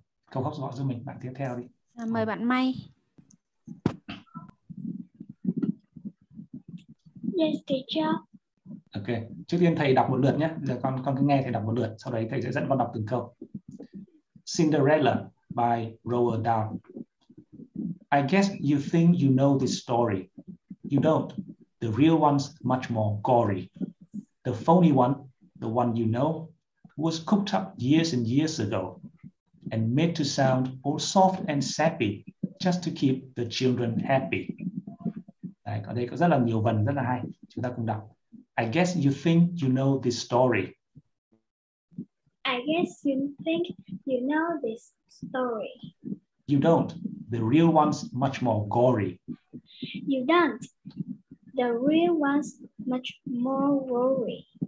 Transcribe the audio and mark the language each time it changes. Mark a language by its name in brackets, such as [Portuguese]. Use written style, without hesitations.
[Vietnamese] Câu hóc gọi giúp mình, bạn tiếp theo đi. Mời bạn May. [English] Yes, teacher. Okay. [Vietnamese] Trước tiên thầy đọc một lượt nhé. Giờ con cứ nghe thầy đọc một lượt. Sau đấy thầy sẽ dẫn con đọc từng câu. [English] Cinderella by Roald Dahl. I guess you think you know this story. You don't. The real one's much more gory. The phony one, the one you know, was cooked up years and years ago and made to sound all soft and sappy just to keep the children happy. [Vietnamese] Đấy, ở đây có rất là nhiều vần rất là hay, chúng ta cùng đọc. [English] I guess you think you know this story. I guess you think you know this story. You don't. The real one's much more gory. You don't. The real one's much more gory.